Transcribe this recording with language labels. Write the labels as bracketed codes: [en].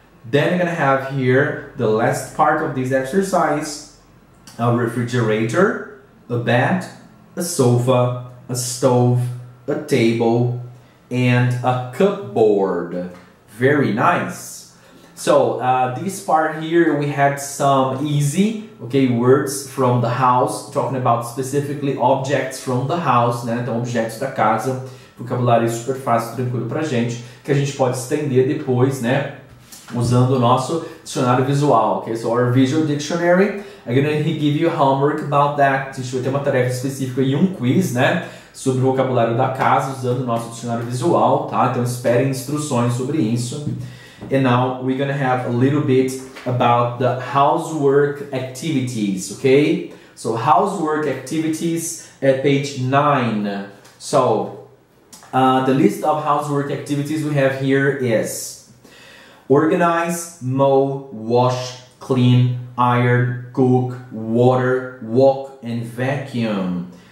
[en] Then you're gonna have here the last part of this exercise, a refrigerator, a bed, a sofa, a stove, a table, and a cupboard. Very nice. So this part here, we had some easy, okay, words from the house, talking about specifically objects from the house, né? [pt] Então, objetos da casa, vocabulário super fácil, tranquilo pra gente, que a gente pode estender depois, né? Usando o nosso dicionário visual, okay? [en] So our visual dictionary. I'm gonna give you homework about that. [pt] A gente vai ter uma tarefa específica e um quiz, né? Sobre o vocabulário da casa usando o nosso dicionário visual, tá? Então esperem instruções sobre isso. [en] And now we're gonna have a little bit about the housework activities, okay? So housework activities at page 9. So the list of housework activities we have here is organize, mow, wash, clean, iron, cook, water, walk, and vacuum.